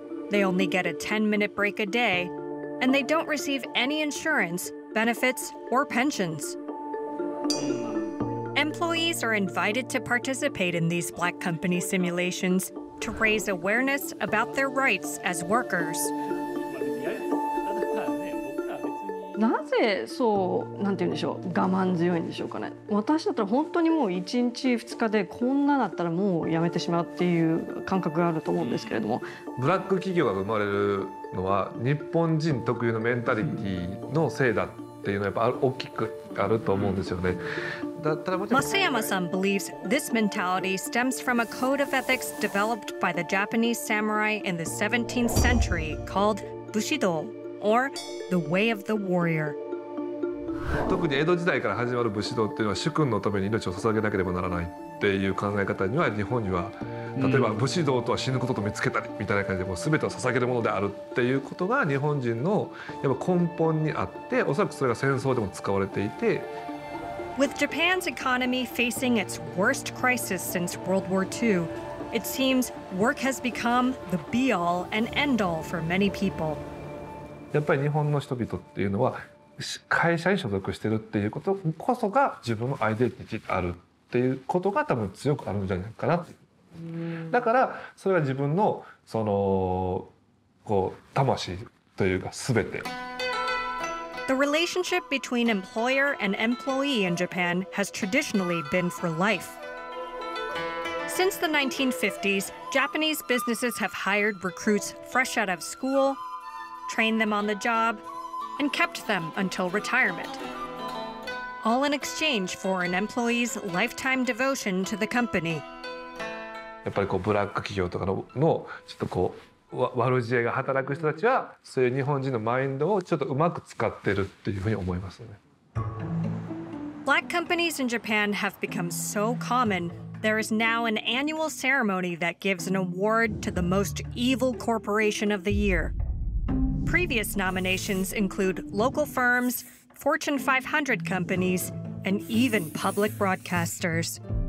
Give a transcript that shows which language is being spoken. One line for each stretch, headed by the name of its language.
English: They only get a 10-minute break a day, and they don't receive any insurance, benefits, or pensions. Employees are invited to participate in these black company simulations to raise awareness about their rights as workers.
Japanese: なぜそう、なんて言うんでしょう、我慢強いんでしょうかね。私だったら本当にもう1日2日でこんなだったらもうやめてしまうっていう感覚があると思うんですけれども、ブラック企業が生まれるのは日本人特有のメンタリティのせいだっていうのはやっぱ大きくあると思うんですよね。
English: 増山さん believes this mentality stems from a code of ethics developed by the Japanese samurai in the 17th century called Bushido、or the way of the warrior.
Japanese: 特に江戸時代から始まる武士道っていうのは主君のために命を捧げなければならないっていう考え方には、日本には例えば武士道とは死ぬことと見つけたりみたいな感じで、もう全てを捧げるものであるっていうことが日本人のやっぱ根本にあって、おそらくそれが戦争でも使われていて。
English: With Japan's economy facing its worst crisis since World War II, it seems work has become the be-all and end-all for many people.
Japanese: やっぱり日本の人々っていうのは会社に所属してるっていうことこそが自分のアイデンティティあるっていうことが多分強くあるんじゃないかなっていう。だからそれは自分のそのこう魂というか全て。
English: The relationship between employer and employee in Japan has traditionally been for life. Since the 1950s, Japanese businesses have hired recruits fresh out of schooltrain them on the job, and kept them until retirement. All in exchange for an employee's lifetime devotion to the company.
Japanese: やっぱりこうブラック企業とかのちょっとこう悪知恵が働く人たちは、そういう日本人のマインドをちょっとうまく使ってるっていうふうに思いますね。
English: Black companies in Japan have become so common, there is now an annual ceremony that gives an award to the most evil corporation of the year. Previous nominations include local firms, Fortune 500 companies, and even public broadcasters.